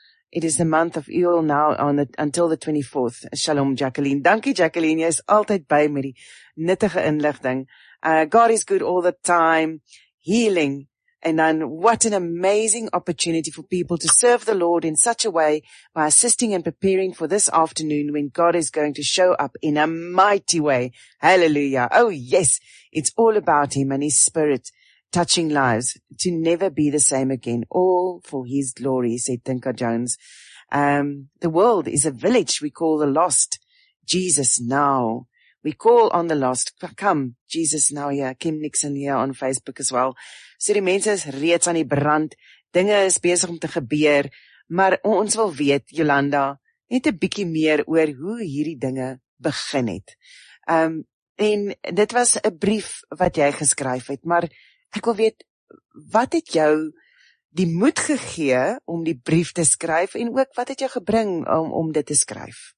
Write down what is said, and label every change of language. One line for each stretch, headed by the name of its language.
English: It is the month of Eul now on until the 24th. Shalom Jacqueline.
Afrikaans: Dankie Jacqueline, jy is altyd by met die nuttige inligting.
English: God is good all the time. Healing. And then what an amazing opportunity for people to serve the Lord in such a way by assisting and preparing for this afternoon when God is going to show up in a mighty way. Hallelujah. Oh yes, it's all about Him and His Spirit. Touching lives to never be the same again, all for His glory, said Tinka Jones. The world is a village we call the lost. Jesus now. We call on the lost. Come, Jesus now. Yeah, Kim Nixon here on Facebook as well.
Afrikaans: So die mense is reeds aan die brand. Dinge is besig om te gebeur. Maar ons wil weet, Jolanda, net 'n bietjie meer oor hoe hierdie dinge begin het. En dit was 'n brief wat jy geskryf het, maar ek wil weet, wat het jou die moed gegee om die brief te skryf en ook wat het jou gebring om dit te skryf?